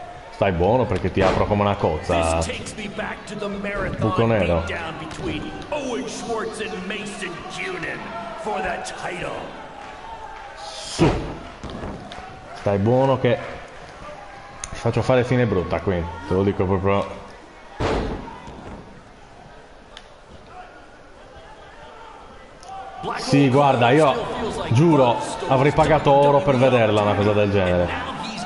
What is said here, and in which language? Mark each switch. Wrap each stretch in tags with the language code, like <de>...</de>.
<it>Stai buono perché ti apro come una cozza.</it> <en>This takes me back to the marathon beatdown between Owen Schwartz and Mason Junin for the title.</en> <it>Su. Stai buono che faccio fare fine brutta qui, te lo dico proprio. Sì, guarda, io giuro, avrei pagato oro per vederla una cosa del genere.</it>